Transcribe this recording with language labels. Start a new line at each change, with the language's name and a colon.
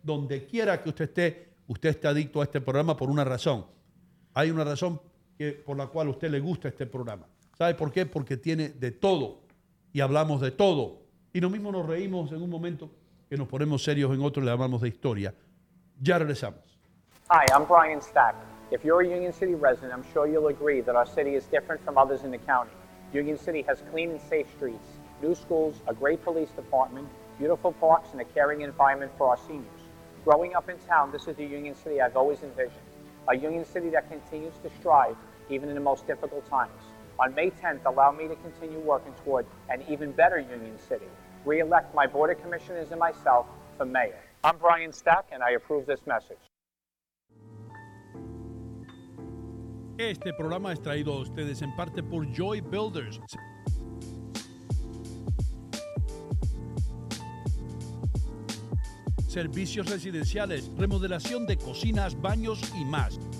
Spanish: Donde quiera que usted esté, usted está adicto a este programa por una razón. Hay una razón que, por la cual a usted le gusta este programa. ¿Sabe por qué? Porque tiene de todo. Y hablamos de todo. Y lo mismo nos reímos en un momento que nos ponemos serios en otro y le hablamos de historia. Ya regresamos.
English: Hi, I'm Brian Stack. If you're a Union City resident, I'm sure you'll agree that our city is different from others in the county. Union City has clean and safe streets, new schools, a great police department, beautiful parks, and a caring environment for our seniors. Growing up in town, this is the Union City I've always envisioned. A Union City that continues to strive even in the most difficult times. On May 10th, allow me to continue working toward an even better Union City. Re-elect my board of commissioners and myself for mayor. I'm Brian Stack, and I approve this message.
Spanish: Este programa es traído a ustedes en parte por Joy Builders. Servicios residenciales, remodelación de cocinas, baños y más.